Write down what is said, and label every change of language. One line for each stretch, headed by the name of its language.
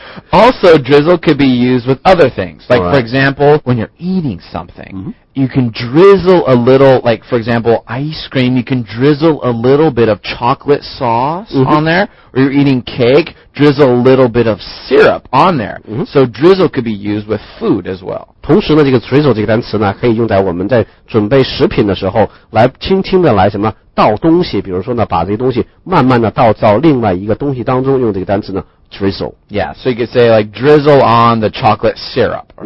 English: Also, drizzle could be used with other things. Like, for example, when you're eating something,you can drizzle a little, like for example ice cream, you can drizzle a little bit of chocolate sauce on there. Or you're eating cake, drizzle a little bit of syrup on there. So drizzle could be used with food as well.
Chinese: 同时呢这个 drizzle 这个单词呢可以用在我们在准备食品的时候来轻轻的来什么倒东西，比如说呢把这些东西慢慢的倒到另外一个东西当中，用这个单词呢
English: drizzle. Yeah, so you could say like drizzle on the chocolate syrup or